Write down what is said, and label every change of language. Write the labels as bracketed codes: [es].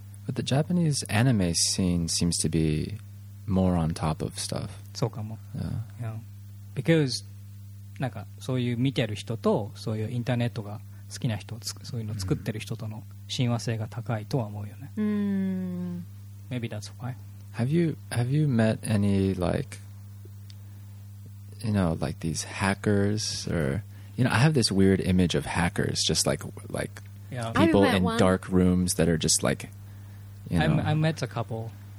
[en] But the Japanese anime scene seems to be more on top of stuff. [ja] そうかも。 [en] Yeah. Yeah. because [ja] なんかそういう見てる人とそういうインターネットが好きな人そういうの作ってる人との親和性が高いとは思うよね。うん。 [en] Maybe that's why. Have you met any like you know like these hackers or you know I have this weird image of hackers just like yeah. people in one. Dark rooms that are just like you know. I met a couple.